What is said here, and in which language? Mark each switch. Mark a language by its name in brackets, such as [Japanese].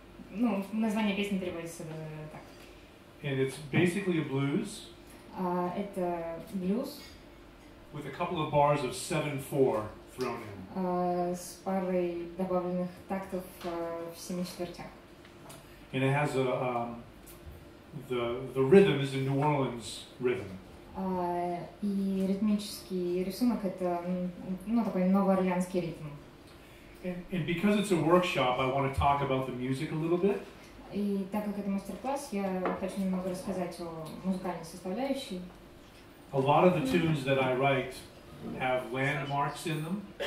[Russian] Ну, название песни переводится так. [English] And it's basically a blues. [Russian] Это блюз. [English] With a couple of bars of 7/4 thrown in. [Russian] С парой добавленных тактов в 7 четвертях. [English] And it has a the rhythm is a New Orleans rhythm. [Russian] И ритмический рисунок это ну такой новоорлеанский ритм. [English] And because it's a workshop, I want to talk about the music a little bit. [Russian] И так как это мастер-класс, я хочу немного рассказать о музыкальной составляющей. [English] A lot of the tunes that I write have landmarks in them.